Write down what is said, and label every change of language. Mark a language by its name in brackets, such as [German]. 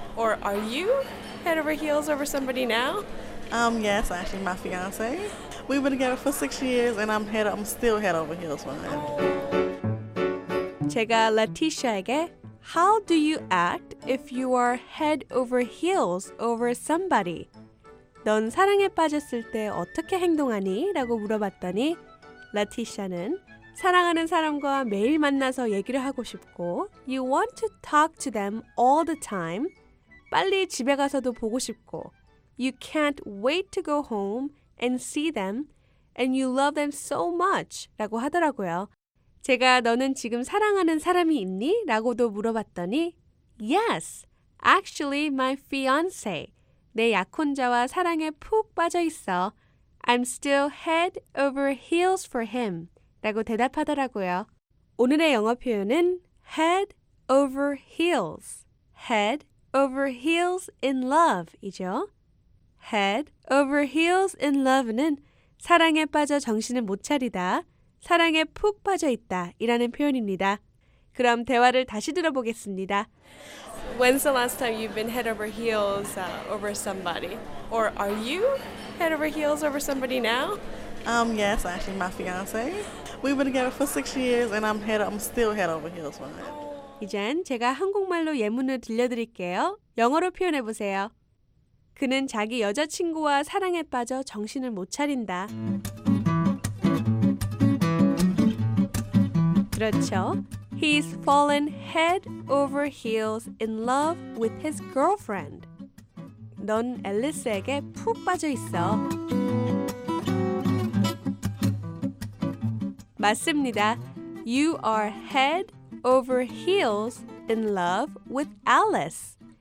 [English] Or are you head over heels over somebody now? Yes, actually, my fiance. We've been together for 6 years, and I'm still head over heels for him. [Korean] 제가 Leticia에게 [English] How do you act if you are head over heels over somebody? [Korean] 넌 사랑에 빠졌을 때 어떻게 행동하니? 라고 물어봤더니 Leticia는 사랑하는 사람과 매일 만나서 얘기를 하고 싶고 [English] You want to talk to them all the time. [Korean] 빨리 집에 가서도 보고 싶고 [English] You can't wait to go home and see them and you love them so much [Korean] 라고 하더라고요. 제가 너는 지금 사랑하는 사람이 있니? 라고도 물어봤더니 [English] Yes, actually my fiance. [Korean] 내 약혼자와 사랑에 푹 빠져 있어. [English] I'm still head over heels for him. [Korean] 라고 대답하더라고요. 오늘의 영어 표현은 head over heels. Head over heels in love이죠. Head over heels in love는 사랑에 빠져 정신을 못 차리다, 사랑에 푹 빠져 있다 이라는 표현입니다. 그럼 대화를 다시 들어보겠습니다. [English] When's the last time you've been head over heels over somebody? Or are you head over heels over somebody now? Yes, actually my fiance. We've been together for 6 years and I'm still head over heels for him. [Korean] 이젠 제가 한국말로 예문을 들려드릴게요. 영어로 표현해 보세요. 그는 자기 여자친구와 사랑에 빠져 정신을 못 차린다. 그렇죠. [English] He's fallen head over heels in love with his girlfriend. [Korean] 넌 앨리스에게 푹 빠져 있어. 맞습니다. [English] You are head over heels in love with Alice.